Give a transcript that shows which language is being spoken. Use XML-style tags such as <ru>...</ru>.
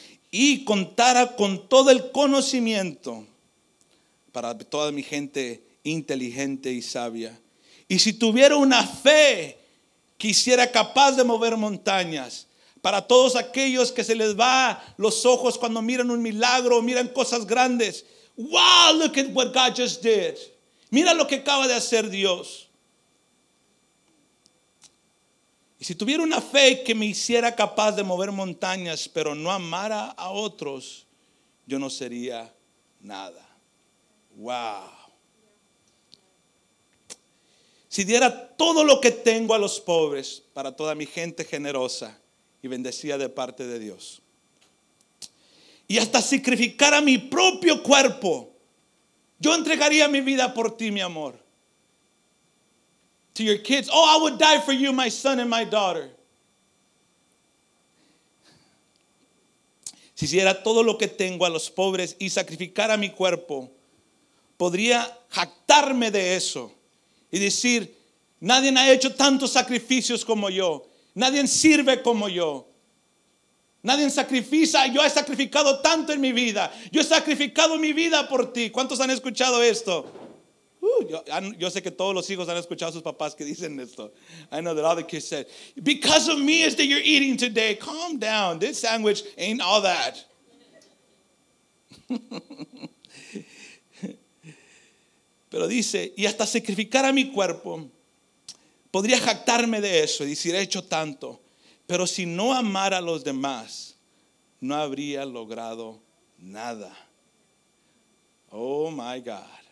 <es>Y contara con todo el conocimiento para toda mi gente inteligente y sabia. Y si tuviera una fe que hiciera capaz de mover montañas, para todos aquellos que se les va los ojos cuando miran un milagro, miran cosas grandes.</es> <en>Wow, look at what God just did.</en> <es>Mira lo que acaba de hacer Dios. Y si tuviera una fe que me hiciera capaz de mover montañas, pero no amara a otros, yo no sería nada. Wow. Si diera todo lo que tengo a los pobres, para toda mi gente generosa y bendecida de parte de Dios. Y hasta sacrificara mi propio cuerpo, yo entregaría mi vida por ti, mi amor.</es> <en>To your kids, oh, I would die for you, my son and my daughter.</en> <es>Si hiciera todo lo que tengo a los pobres y sacrificara mi cuerpo, podría jactarme de eso y decir, nadie ha hecho tantos sacrificios como yo. Nadie sirve como yo. Nadie sacrifica. Yo he sacrificado tanto en mi vida. Yo he sacrificado mi vida por ti. ¿Cuántos han escuchado esto? Yo sé que todos los hijos han escuchado a sus papás que dicen esto.</es> <en>I know that all the kids said, because of me is that you're eating today. Calm down. This sandwich ain't all that.</en> <es>Pero dice, y hasta sacrificar a mi cuerpo, podría jactarme de eso y decir, he hecho tanto. Pero si no amara a los demás, no habría logrado nada.</es> <en>Oh, my God.</en>